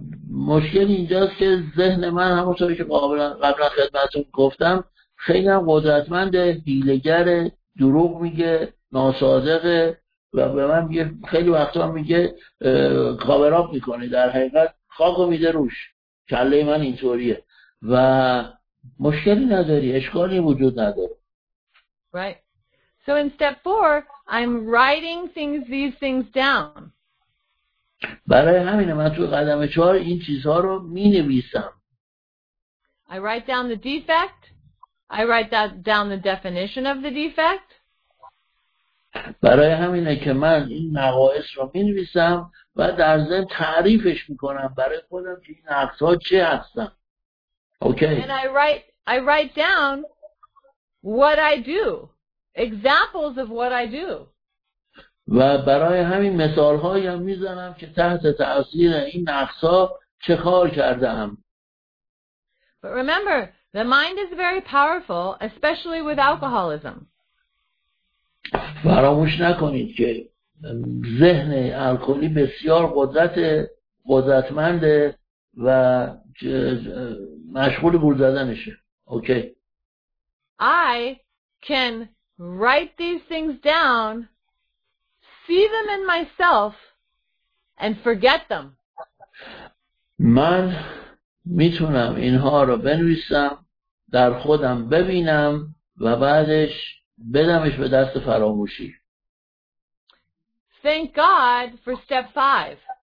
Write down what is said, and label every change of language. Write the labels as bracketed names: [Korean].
[Persian] مشکل اینجاست که ذهن من همونطوری که قبلا خدمتتون گفتم خیلی هم قدرتمند حیله‌گر دروغ میگه ناصادقه و به من میگه خیلی وقتا میگه کاوراپ میکنه در حقیقت خاک و میده روش کله من اینطوریه و مشکلی نداری اشکالی وجود نداره. [English] Right. So in step 4 I'm writing these things down. [Persian] برای همین من تو قدم 4 این چیزها رو مینویسم. [English] I write down the defect. I write that down the definition of the defect. [Persian] برای همینه که من این نقایص رو می‌نویسم و در ذهن تعریفش می‌کنم برای خودم که این نقص‌ها چه هستن. [English] Okay. And I write down what I do. Examples of what I do. [Persian] و برای همین مثال‌هایی هم می‌زنم که تحت تأثیر این نقص‌ها چه کار کرده‌ام. [English] But remember, the mind is very powerful, especially with alcoholism. [Persian] فراموش نکنید که ذهن الکلی بسیار قدرتمنده و مشغول گول زدنشه. [English] Okay. I can write these things down, see them in myself and forget them. [Persian] من میتونم اینها رو بنویسم در خودم ببینم و بعدش بدمش به دست فراموشی. [English] Thank God for step 5.